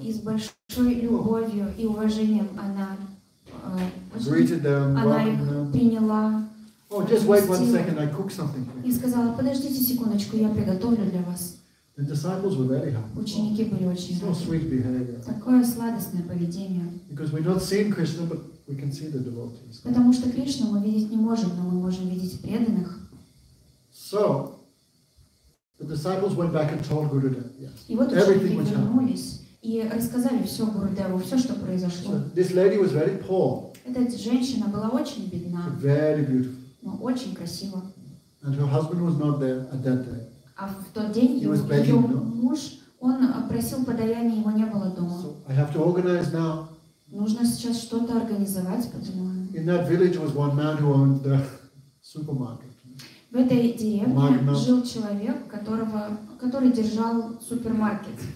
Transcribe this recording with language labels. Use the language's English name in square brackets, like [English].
[Russian] И с большой любовью и уважением она [English] greeted them, [Russian] приняла. [English] Oh, just wait one second. I cook something. [Russian] И сказала: подождите секундочку, я приготовлю для вас. [English] The disciples were very happy. [Russian] Ученики были очень рады. [English] So sweet behavior. [Russian] Такое сладостное поведение. [English] Because we're not seeing Krishna, but we can see the devotees. [Russian] Потому что Кришну мы видеть не можем, но мы можем видеть преданных. [English] So the disciples went back and told Gurudev. Yes. [Russian] И вот ученики вернулись и рассказали все Гурудеву, все, что произошло. [English] So this lady was very poor. [Russian] Эта женщина была очень бедна. [English] Very beautiful. [Russian] Но очень красива. [English] And her husband was not there at that day. [Russian] А в тот день ее муж, он просил подаяния, его не было дома. [English] So I have to organize now. [Russian] Нужно сейчас что-то организовать, подумала. [English] In that village was one man who owned the supermarket. [Russian] В этой деревне жил человек, который держал супермаркет.